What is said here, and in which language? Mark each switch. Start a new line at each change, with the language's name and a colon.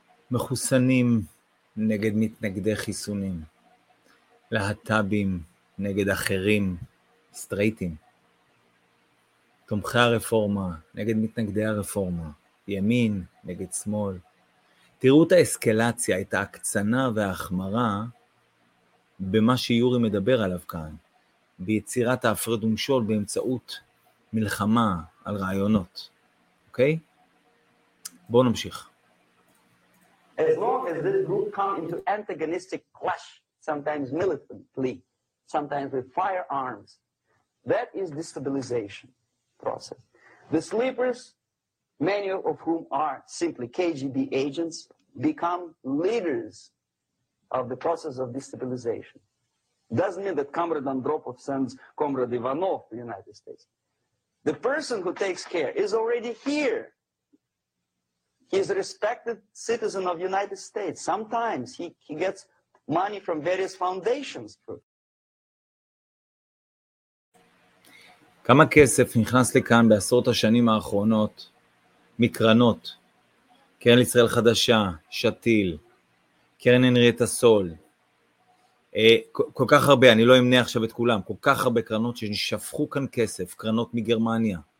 Hebrew: מחוסנים נגד מתנגדי חיסונים, להטאבים נגד אחרים, סטרייטים, תומכי הרפורמה נגד מתנגדי הרפורמה, ימין נגד שמאל. תראו את האסקלציה, את ההקצנה וההחמרה במה שיורי מדבר עליו כאן, ביצירת ההפרד ומשול באמצעות מלחמה על רעיונות, אוקיי? בוא נמשיך.
English: As long as this group come into antagonistic clash, sometimes militantly, sometimes with firearms, that is destabilization process. The sleepers, many of whom are simply KGB agents, become leaders of the process of destabilization. Doesn't mean that Comrade Andropov sends Comrade Ivanov to the United States. The person who takes care is already here. He is a respected citizen of the United States. Sometimes he gets money from various foundations.
Hebrew: כמה כסף נכנס לכאן בעשרות השנים האחרונות מקרנות? קרן לישראל חדשה, שתיל, קרן הנריאטה סול. כל כך הרבה, אני לא אמנה עכשיו את כולם, כל כך הרבה קרנות ששפכו כאן כסף, קרנות מגרמניה.